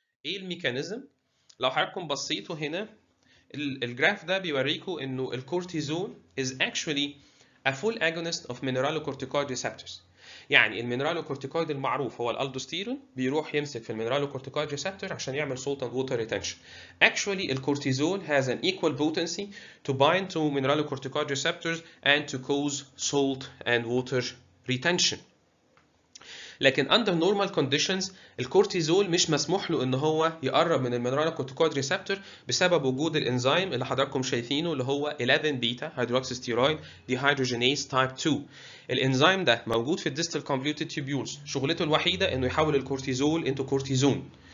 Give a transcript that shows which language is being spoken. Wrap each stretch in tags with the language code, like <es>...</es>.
<ar>ايه الميكانيزم؟ لو حضراتكم بصيتوا هنا الجراف ده بيوريكو انه الكورتيزون</ar> <en>is actually a full agonist of mineralocorticoid receptors.</en> <ar>يعني المينرالوكورتيكويد المعروف هو الالدوستيرون بيروح يمسك في المينرالوكورتيكويد ريسبتور عشان يعمل سولت اند ووتر ريتنشن.</ar> <en>Actually الكورتيزول has an equal potency to bind to mineralocorticoid receptors and to cause salt and water retention.</en> <ar>لكن</ar> <en>under normal conditions</en> <ar>الكورتيزول مش مسموح له ان هو يقرب من المينرالوكورتيكويد ريسبتور بسبب وجود الانزيم اللي حضراتكم شايفينه اللي هو 11 بيتا هيدروكسستيرويد ديهايدروجينيز تايب 2. الانزيم ده موجود في الديستال convoluted tubules، شغلته الوحيده انه يحول الكورتيزول انتو كورتيزون.</ar>